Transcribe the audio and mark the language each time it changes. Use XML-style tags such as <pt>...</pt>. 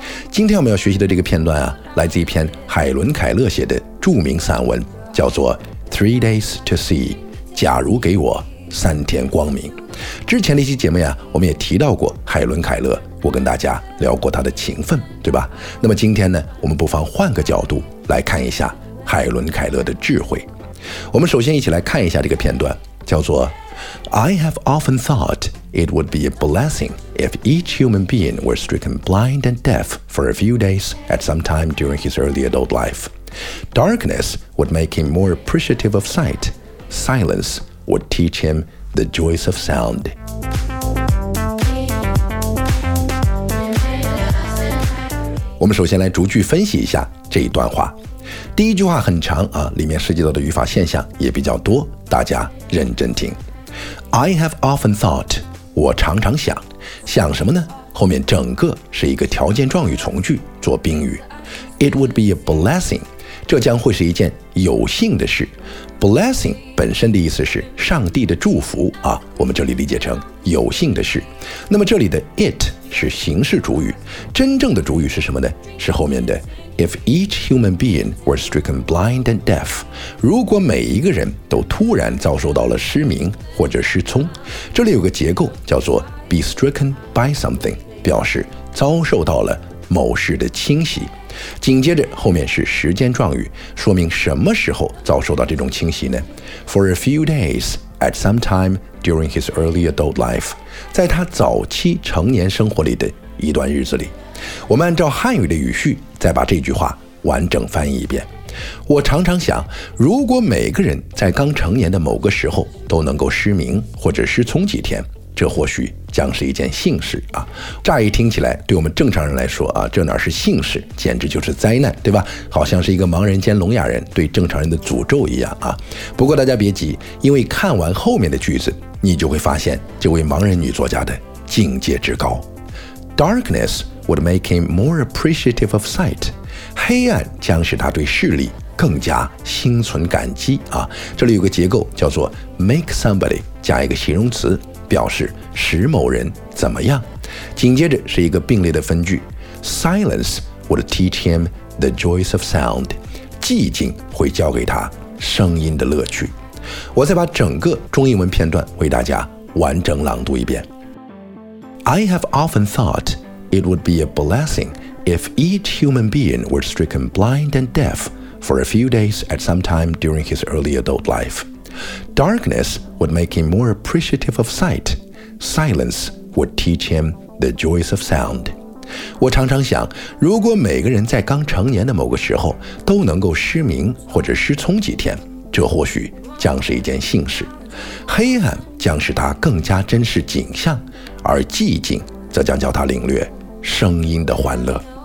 <zh>今天我们要学习的这个片段啊，来自一篇海伦·凯勒写的著名散文，叫做 Three Days to See， 假如给我三天光明。之前的一期节目呀，我们也提到过海伦·凯勒，我跟大家聊过他的情分，对吧？那么今天呢，我们不妨换个角度来看一下海伦·凯勒的智慧。我们首先一起来看一下这个片段，叫做</zh> <en>I have often thought it would be a blessing if each human being were stricken blind and deaf for a few days at some time during his early adult life. Darkness would make him more appreciative of sight. Silence would teach him the joys of sound.</en> <zh>我们首先来逐句分析一下这一段话。第一句话很长啊，里面涉及到的语法现象也比较多，大家认真听。</zh> <en>I have often thought，</en> <zh>我常常想，想什么呢？后面整个是一个条件状语从句，做宾语。</zh> <en>It would be a blessing，</en> <zh>这将会是一件有幸的事。 Blessing 本身的意思是上帝的祝福啊，我们这里理解成有幸的事。那么这里的 it 是形式主语，真正的主语是什么呢？是后面的</zh> <en>If each human being were stricken blind and deaf，</en> <zh>如果每一个人都突然遭受到了失明或者失聪。这里有个结构叫做</zh> <en>be stricken by something，</en> <zh>表示遭受到了某事的侵袭。紧接着后面是时间状语，说明什么时候遭受到这种侵袭呢？</zh> <en>For a few days at some time during his early adult life，</en> <zh>在他早期成年生活里的一段日子里。我们按照汉语的语序再把这句话完整翻译一遍。我常常想，如果每个人在刚成年的某个时候都能够失明或者失聪几天，这或许将是一件幸事啊。乍一听起来，对我们正常人来说啊，这哪是幸事，简直就是灾难，对吧？好像是一个盲人兼聋哑人对正常人的诅咒一样啊。不过大家别急，因为看完后面的句子，你就会发现这位盲人女作家的境界之高。</zh> <en>Darkness would make him more appreciative of sight，</en> <zh>黑暗将使他对视力更加心存感激啊。这里有个结构叫做 make somebody 加一个形容词，表示使某人怎么样。紧接着是一个并列的分句，</zh> <en>silence would teach him the joys of sound，</en> <zh>寂静会教给他声音的乐趣。我再把整个中英文片段为大家完整朗读一遍。</zh> <en>I have often thoughtIt would be a blessing if each human being were stricken blind and deaf for a few days at some time during his early adult life. Darkness would make him more appreciative of sight. Silence would teach him the joys of sound.</en> <zh>我常常想，如果每个人在刚成年的某个时候都能够失明或者失聪几天，这或许将是一件幸事。黑暗将使他更加珍视景象，而寂静则将叫他领略声音的欢乐。</zh>